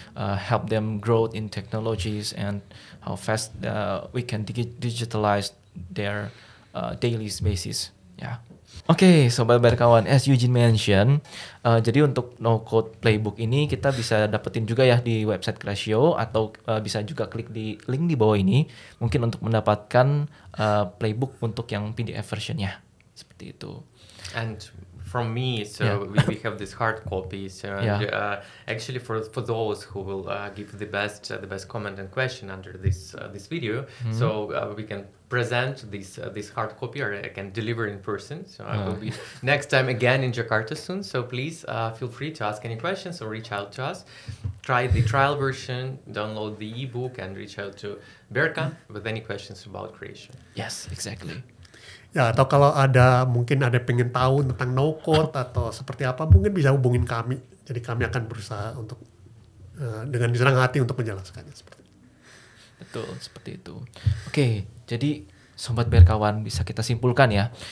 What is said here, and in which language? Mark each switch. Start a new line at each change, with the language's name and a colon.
English: Help them grow in technologies and how fast we can digitalize their daily basis, yeah.
Indonesian: Okay, sobat berkawan,
English: as Eugene mentioned,
Indonesian: jadi untuk no code playbook ini kita bisa dapetin juga ya di website Creatio atau bisa juga klik di link di bawah ini mungkin untuk mendapatkan playbook untuk yang PDF versionnya seperti itu.
English: And from me, so we have this hard copy. So actually, for those who will give the best comment and question under this video, so we can present this hard copy, or I can deliver in person. So I will be next time again in Jakarta soon. So please feel free to ask any questions or reach out to us. Try the trial version, download the ebook, and reach out to Berca with any questions about Creatio. Yes, exactly.
Indonesian: Ya, atau kalau ada mungkin ada pengen tahu tentang no code atau seperti apa, mungkin bisa hubungin kami. Jadi kami akan berusaha untuk dengan senang hati untuk menjelaskannya. Seperti itu. Oke, jadi sobat berkawan, bisa kita simpulkan ya.